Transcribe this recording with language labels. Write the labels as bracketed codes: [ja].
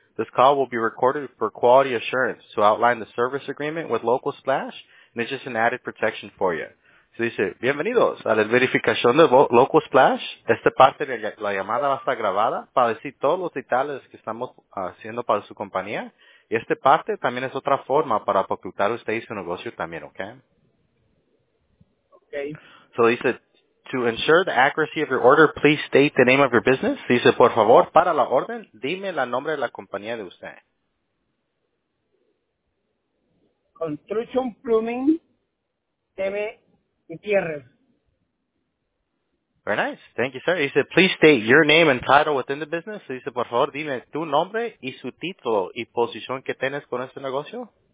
[en] This call will be recorded for quality assurance to outline the service agreement with Local Splash, and it's just an added protection for you. [es] Se dice, bienvenidos a la verificación de Local Splash. Esta parte de la llamada va a estar grabada para decir todos los detalles que estamos haciendo para su compañía. Y esta parte también es otra forma para ocultar usted y su negocio también, ¿ok? [en] Okay. So [es] dice, [en] to ensure the accuracy of your order, please state the name of your business. [es] Dice, por favor, para la orden, dime el nombre de la compañía de usted. [en] Construction Plumbing TV Gutiérrez. Very nice. Thank you, sir. [es] Dice, [en] please state your name and title within the business. [es] Dice, por favor, dime tu nombre y su título y posición que tienes con este negocio.